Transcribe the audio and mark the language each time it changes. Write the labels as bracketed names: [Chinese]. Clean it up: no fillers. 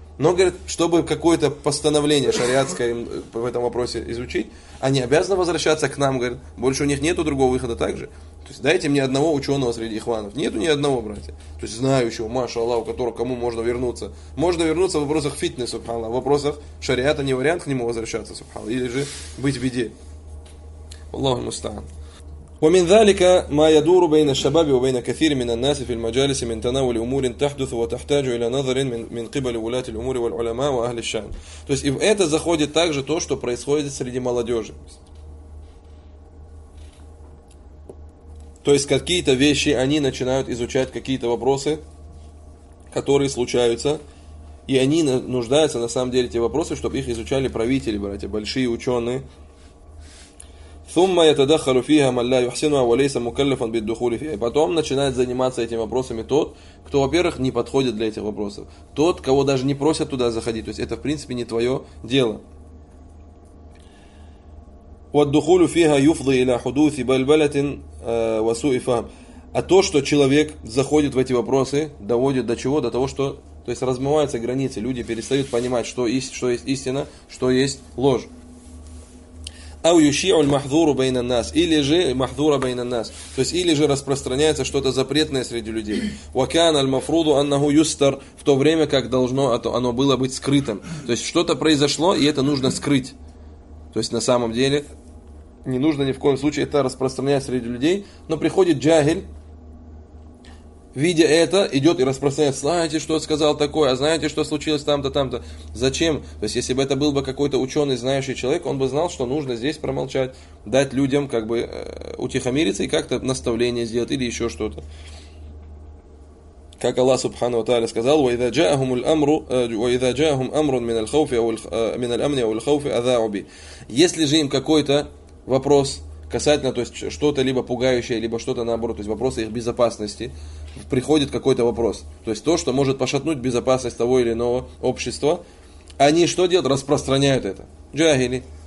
[Russian] Но, говорит, чтобы какое-то постановление шариатское в этом вопросе изучить, они обязаны возвращаться к нам, говорит, больше у них нету другого выхода так же. То есть дайте мне одного ученого среди ихванов. Нету ни одного, братья. То есть знающего, маша Аллах, у которого кому можно вернуться. Можно вернуться в вопросах фитнеса, субханаллах, в вопросах шариата не вариант к нему возвращаться, субханаллах, или же быть в беде. Аллаху мустаан. [Arabic] ومن ذلك ما يدور بين الشباب وبين كثير من الناس في المجالس من تناول أمور تحدث وتحتاج إلى نظر من قبل ولاة الأمور والعلماء وأهل الشأن. [Russian] То есть и в это заходит также то, что происходит среди молодежи. То есть какие-то вещи они начинают изучать, какие-то вопросы, которые случаются, и они нуждаются на самом деле эти вопросы, чтобы их изучали правители, братья, большие ученые. [Arabic] ثم يتدخل فيها من لا يحسنها وليس مكلفا بالدخول فيها. [Russian] Потом начинает заниматься этими вопросами тот, кто, во-первых, не подходит для этих вопросов, тот, кого даже не просят туда заходить, то есть это в принципе не твое дело. [Arabic] والدخول فيها يفضي إلى حدوث بلبلة وسوء فهم. [Russian] А то, что человек заходит в эти вопросы, доводит до чего? До того, что, то есть размываются границы, люди перестают понимать, что есть истина, что есть ложь. [Arabic] أو يشيع المحظور بين الناس [Russian] или же [Arabic] محظور بين الناس, [Russian] то есть или же распространяется что-то запретное среди людей. [Arabic] وكان المفروض أنه يستر, [Russian] в то время как должно оно было быть скрытым, то есть что-то произошло и это нужно скрыть, то есть на самом деле не нужно ни в коем случае это распространять среди людей, но приходит джахиль, видя это, идет и распространяет: знаете, что сказал такое, а знаете, что случилось там-то, там-то. Зачем? То есть, если бы это был бы какой-то ученый, знающий человек, он бы знал, что нужно здесь промолчать, дать людям как бы утихомириться и как-то наставление сделать или еще что-то. Как Аллах Субхану ва Тааля сказал: [Arabic] وَإِذَا جَاءَهُمُ الْأَمْرُ وَإِذَا جَاءَهُمْ أَمْرٌ مِنَ الْخَوْفِ أَوْ مِنَ الْأَمْنِ أَوْ الْخَوْفِ أَذَاعُوا بِهِ. [Russian] Если же им какой-то вопрос касательно, то есть что-то либо пугающее, либо что-то наоборот, то есть вопросы их безопасности, приходит какой-то вопрос. То есть то, что может пошатнуть безопасность того или иного общества, они что делают? Распространяют это. Джахили.